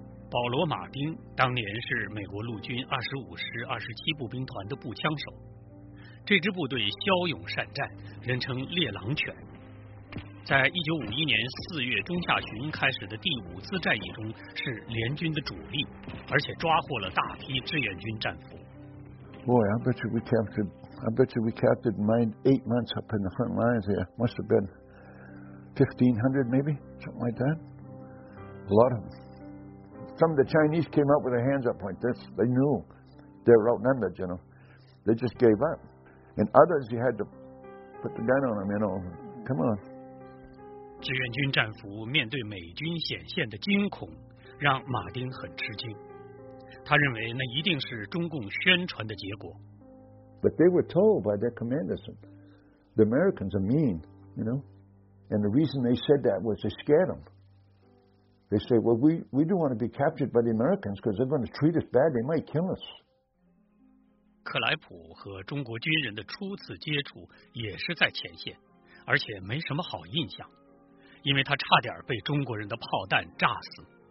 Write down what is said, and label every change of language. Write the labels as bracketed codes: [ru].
[zh] 保罗马丁当年是美国陆军25师27步兵团的步枪手，这支部队骁勇善战，人称猎狼犬。在1951年4月中下旬开始的第5次战役中是联军的主力，而且抓获了大批志愿军战俘。 [en] Boy, I bet you we captured mine 8 months up in the front lines here. Must have been 1500 maybe, something like that. A lot of them. Some of the Chinese came up with their hands up like this. They knew they were outnumbered, you know. They just gave up. And others, you had to put the gun on them, you know. Come on. [zh] 志愿军战俘面对美军显现的惊恐，让马丁很吃惊。他认为那一定是中共宣传的结果。 [en] But they were told by their commanders, the Americans are mean, you know. And the reason they said that was to scare them. They say, well, we don't want to be captured by the Americans because they're going to treat us bad. They might kill us. [zh] 克莱普和中国军人的初次接触也是在前线，而且没什么好印象，因为他差点被中国人的炮弹炸死。